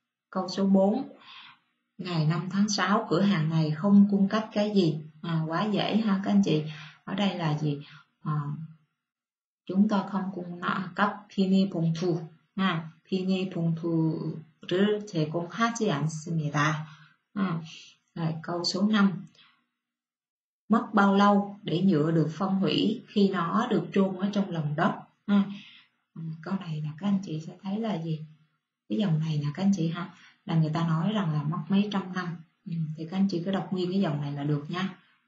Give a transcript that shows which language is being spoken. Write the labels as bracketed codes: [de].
[vi] Câu số 4, ngày 5 tháng 6 cửa hàng này không cung cấp cái gì? Quá dễ ha các anh chị. Ở đây là gì? Chúng tôi không cung cấp 비닐봉투. [ko] 비닐봉투를 제공하지 않습니다. [vi] Câu số 5, mất bao lâu để nhựa được phân hủy khi nó được chôn ở trong lòng đất? Câu này là các anh chị sẽ thấy là gì? Cái dòng này là các anh chị ha, là người ta nói rằng là mất mấy trăm năm. Thì các anh chị cứ đọc nguyên cái dòng này là được nha.